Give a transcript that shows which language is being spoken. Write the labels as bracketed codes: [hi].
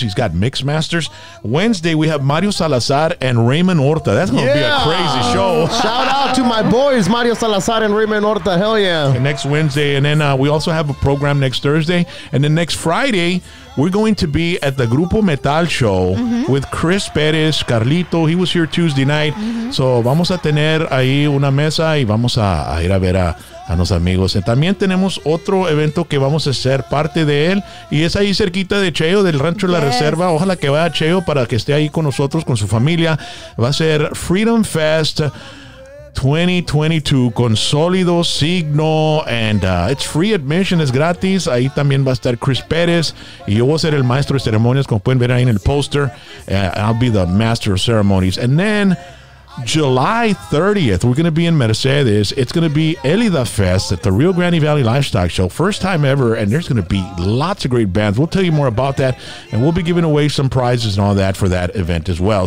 [en] He's got Mixmasters. Wednesday, we have Mario Salazar and Raymond Horta. That's going to be a crazy show. Shout out to my boys, Mario Salazar and Raymond Horta. Hell yeah. And next Wednesday. And then we also have a program next Thursday. And then next Friday, We're going to be at the Grupo Metal Show mm-hmm. with Chris Perez, Carlito. He was here Tuesday night. Mm-hmm. [es] So vamos a tener ahí una mesa y vamos a ir a ver a los amigos. También tenemos otro evento que vamos a ser parte de él. Y es ahí cerquita de Cheo, del Rancho yes. La Reserva. Ojalá que vaya Cheo para que esté ahí con nosotros, con su familia. Va a ser Freedom Fest 2022 con Sólido Signo, [en] and it's free admission, [es] es gratis. Ahí también va a estar Chris Perez y yo voy a ser el maestro de ceremonias, como pueden ver ahí en el poster. [en] I'll be the master of ceremonies. And then July 30th, we're going to be in Mercedes. It's going to be Elida Fest at the Rio Grande Valley Livestock Show. First time ever, and there's going to be lots of great bands. We'll tell you more about that, and we'll be giving away some prizes and all that for that event as well.